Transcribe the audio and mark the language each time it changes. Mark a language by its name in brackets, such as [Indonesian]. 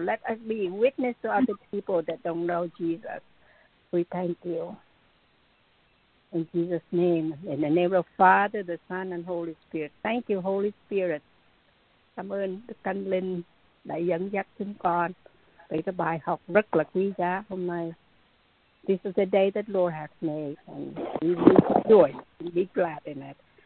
[English] Let us be witness to other people that don't know Jesus. We thank you. In Jesus' name, in the name of Father, the Son, and Holy Spirit. Thank you, Holy Spirit. [Vietnamese] Cảm ơn Đức Thánh Linh đã dẫn dắt chúng con về cái bài học rất là quý giá hôm nay. [English] This is the day that Lord has made, and we rejoice and be glad in it.